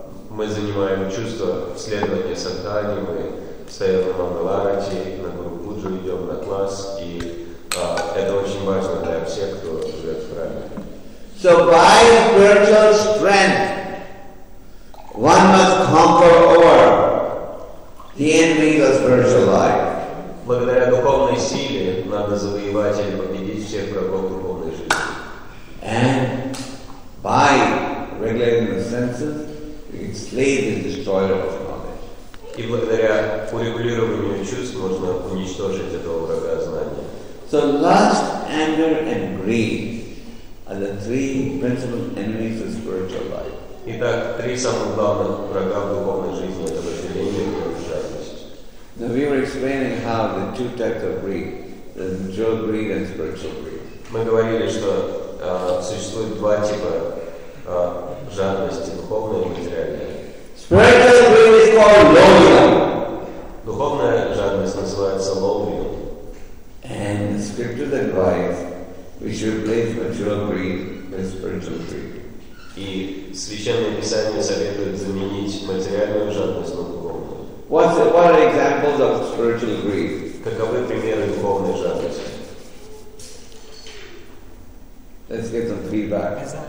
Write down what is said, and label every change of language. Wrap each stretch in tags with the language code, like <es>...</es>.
<ru>Мы занимаем чувство следования садхане, мы стоим на мангаларти, на гуру пуджу идем на класс, и это очень важно для всех, кто живет в храме.</ru> <en>So by spiritual strength, one must conquer over the enemy of spiritual life.</en> <ru>Благодаря духовной силе надо завоевать или победить всех врагов духовной жизни.</ru> <en>And by regulating the senses, we can slay the destroyer of knowledge.</en> <ru>И благодаря урегулированию чувств можно уничтожить этого врага знания.</ru> <en>So lust, anger, and greed are the three principal enemies of spiritual life.</en> <ru>Итак, три самых главных врага в духовной жизни – это вожделение, гнев и жадность.</ru> <en>Now we were explaining how the two types of greed, the material greed and spiritual greed.</en> <ru>Мы говорили, что существует два типа жадности – духовная и материальная.</ru> <en>Spiritual greed is called lobhya.</en> <ru>Духовная жадность называется lobhya.</ru> <en>And the scriptures advise we should replace material greed with spiritual greed.</en> <ru>И Священное Писание советует заменить материальную жадность на духовную.</ru> <en>What are examples of spiritual greed?</en> <ru>Каковы примеры духовной жадности?</ru> <en>Let's get some feedback.</en>